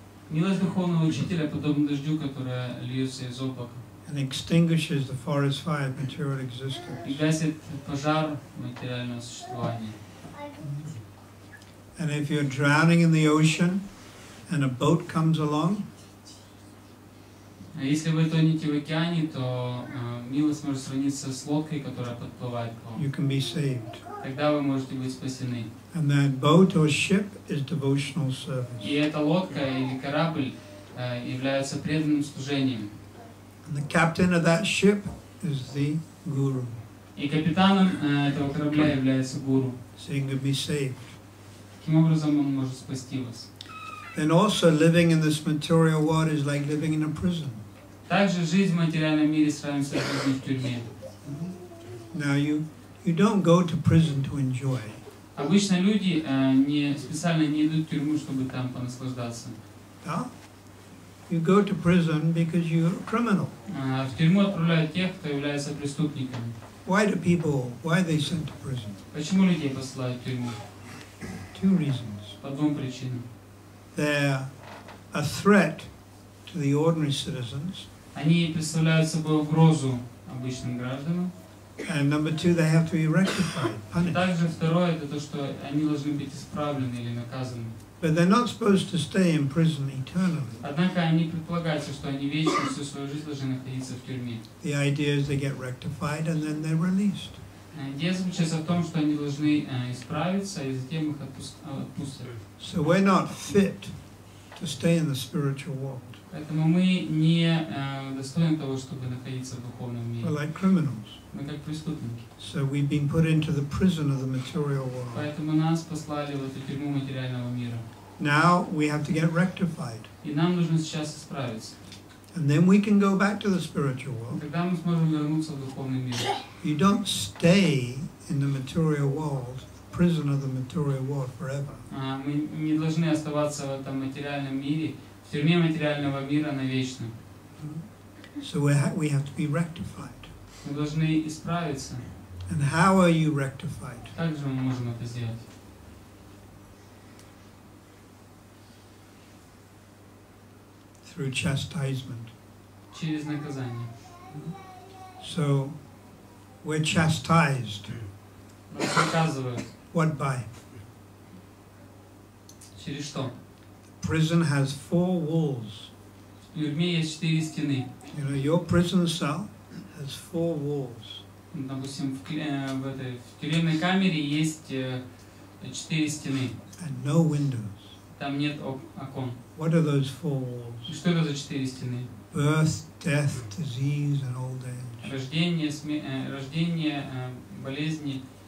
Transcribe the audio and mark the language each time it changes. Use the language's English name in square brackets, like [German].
[Russian] Милость духовного учителя подобна дождю, которая льется из облака. [English] And extinguishes the forest fire of material existence. [Russian] И гасит пожар материального существования. [English] And if you're drowning in the ocean and a boat comes along, [Russian] если вы тонете в океане, то милость может сравниться с лодкой, которая подплывает к вам. [English] You can be saved. [Russian] Тогда вы можете быть спасены. [English] And that boat or ship is devotional service. [Russian] И эта лодка или корабль является преданным служением. [English] And the captain of that ship is the guru. [Russian] И капитаном этого корабля является гуру. [English] So you can be saved. [Russian] Таким образом он может спасти вас. [English] And also living in this material world is like living in a prison. [Russian] Также жизнь в материальном мире сравнивается с жизнью в тюрьме. [English] Now you don't go to prison to enjoy. [Russian] Обычно люди не специально не идут в тюрьму, чтобы там понаслаждаться. Да? [English] You go to prison because you're a criminal. [Russian] В тюрьму отправляют тех, кто является преступником. [English] Why are they sent to prison? [Russian] Почему людей посылают в тюрьму? [English] Two reasons. [Russian] По двум причинам. [English] They're a threat to the ordinary citizens. [Russian] Они представляют собой угрозу обычным гражданам. [English] And number two, they have to be rectified, punished. [Russian] Также второе это то, что они должны быть исправлены или наказаны. [English] But they're not supposed to stay in prison eternally. [Russian] Однако они предполагаются, что они вечно всю свою жизнь должны находиться в тюрьме. [English] The idea is they get rectified and then they're released. [Russian] Идея заключается в том, что они должны исправиться и затем их отпустят. [English] So we're not fit to stay in the spiritual world. [Russian] Поэтому мы не достойны того, чтобы находиться в духовном мире. [English] We're like criminals. [Russian] Мы как преступники. [English] So we've been put into the prison of the material world. [Russian] Поэтому нас послали в эту тюрьму материального мира. [English] Now we have to get rectified. [Russian] И нам нужно сейчас исправиться. [English] And then we can go back to the spiritual world. [Russian] Тогда мы сможем вернуться в духовный мир. [English] You don't stay in the material world. Prison of the material world forever. [Russian] Мы не должны оставаться в этом материальном мире, в тюрьме материального мира навечно. [English] So we have to be rectified. [Russian] Мы должны исправиться. [English] And how are you rectified? [Russian] Как же мы можем это сделать? [English] Through chastisement. [Russian] Через наказание. [English] So we're chastised. [Russian] Нас наказывают. [English] What by? [Russian] Через что? [English] The prison has four walls. [Russian] В тюрьме есть четыре стены. [English] You know, your prison cell has four walls. [Russian] Допустим, в тюремной камере есть четыре стены. [English] And no windows. [Russian] Там нет окон. [English] What are those four walls? [Russian] Что это за четыре стены? [English] Birth, death, disease, and old age. [Russian] Рождение, болезни.